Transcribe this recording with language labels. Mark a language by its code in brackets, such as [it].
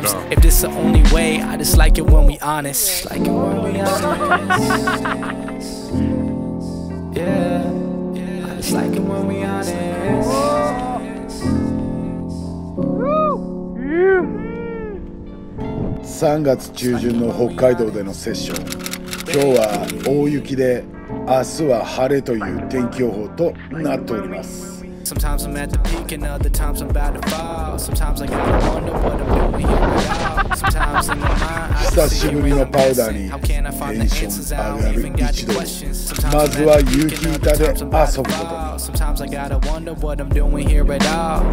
[en] If this the only way, I just like it when we honest. Like it when we honest. Yeah, I just like it when we honest. Yeah. [ja] 3月中旬の北海道でのセッション。今日は大雪で、明日は晴れという天気予報となっております。 [en] Sometimes I'm at the peak and other times I'm about to fall. Sometimes I gotta wonder what I'm doing here now. Sometimes in my mind I see the real mystery. How can I find the answers? I don't even got the questions. Sometimes I'm at the peak and other times I'm about to fall. Sometimes I gotta wonder what I'm doing here at all.